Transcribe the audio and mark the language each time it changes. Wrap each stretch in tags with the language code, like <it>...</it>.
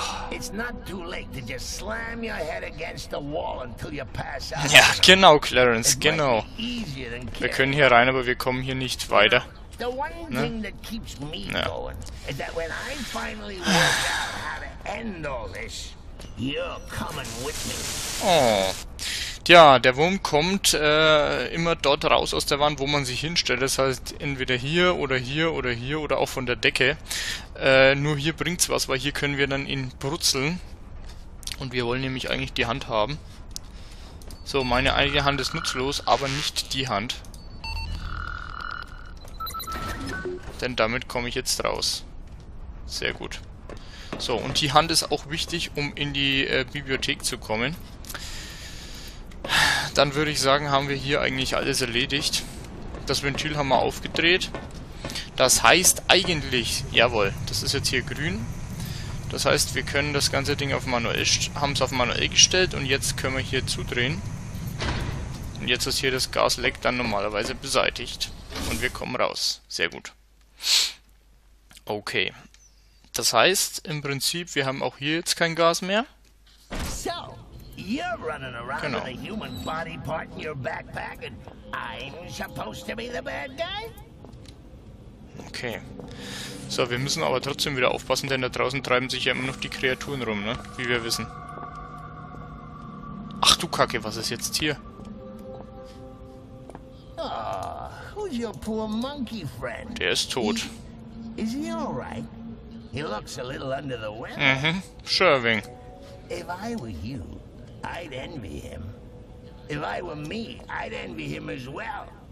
<en>It's not too late to just slam your head against the wall until you pass out.</en> <de>Ja, genau, Clarence, genau. Wir können hier rein, aber wir kommen hier nicht weiter.</de> <en>The one thing that keeps me going is that when I finally work out how to end all this, you're coming with me. Oh.</en> <de>Ja, der Wurm kommt immer dort raus aus der Wand, wo man sich hinstellt. Das heißt, entweder hier oder hier oder hier oder auch von der Decke. Nur hier bringt's was, weil hier können wir dann ihn brutzeln. Und wir wollen nämlich eigentlich die Hand haben. So, meine eigene Hand ist nutzlos, aber nicht die Hand. Denn damit komme ich jetzt raus. Sehr gut. So, und die Hand ist auch wichtig, um in die Bibliothek zu kommen. Dann würde ich sagen, haben wir hier eigentlich alles erledigt. Das Ventil haben wir aufgedreht. Das heißt eigentlich, jawohl, das ist jetzt hier grün. Das heißt, wir können das ganze Ding auf manuell, haben es auf manuell gestellt und jetzt können wir hier zudrehen. Und jetzt ist hier das Gasleck dann normalerweise beseitigt. Und wir kommen raus. Sehr gut. Okay. Das heißt, im Prinzip, wir haben auch hier jetzt kein Gas mehr. So.</de> <en>You're running around</en> <de>genau.</de> <en>With a human body part in your backpack and I'm supposed to be the bad guy? Okay.</en> <de>So, wir müssen aber trotzdem wieder aufpassen, denn da draußen treiben sich ja immer noch die Kreaturen rum, ne? Wie wir wissen. Ach du Kacke, was ist jetzt hier?</de> <en>Oh, who's your poor monkey friend?</en> <de>Der ist tot.</de> <en>Is he all right? He looks a little under the weather. Mhm, Sherving. If I were you, I'd envy him. If I were me, I'd envy him as well.</en>